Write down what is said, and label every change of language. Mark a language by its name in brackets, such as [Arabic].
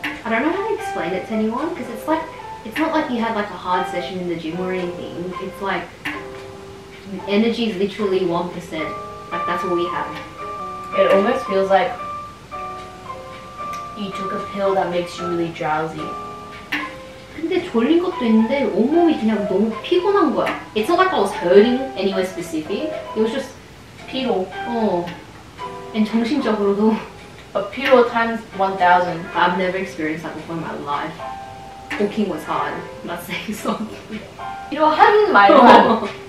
[English] I don't know how to explain it to anyone because it's like it's not like you had like a hard session in the gym or anything. It's like energy is literally 1%. Like that's all we have. It almost feels like you took a pill that makes you really drowsy. [Korean] 근데 졸린 것도 있는데 온몸이 그냥 너무 피곤한 거야. [English] It's not like I was hurting anywhere specific. It was just [Korean] 피로. 어. And 정신적으로도. [English] A 피로 times 1,000. I've never experienced that before in my life. Walking was hard. I'm not saying something. [Korean] 피로 한 말만.